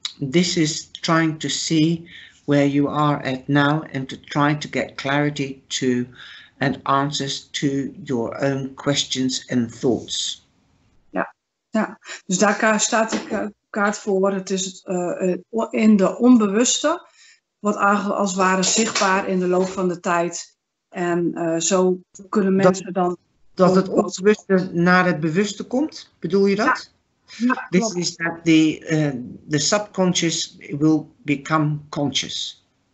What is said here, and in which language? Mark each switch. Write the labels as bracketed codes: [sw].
[en] This is trying to see where you are at now and to try to get clarity to and answers to your own questions and thoughts. [nl] Ja, ja. Dus daar staat de kaart voor. Het is in de onbewuste, wat eigenlijk als ware zichtbaar in de loop van de tijd. En zo kunnen mensen dat, dan... Dat het onbewuste naar het bewuste komt, bedoel je dat? Ja. Ja, [en] this is that the subconscious will become conscious.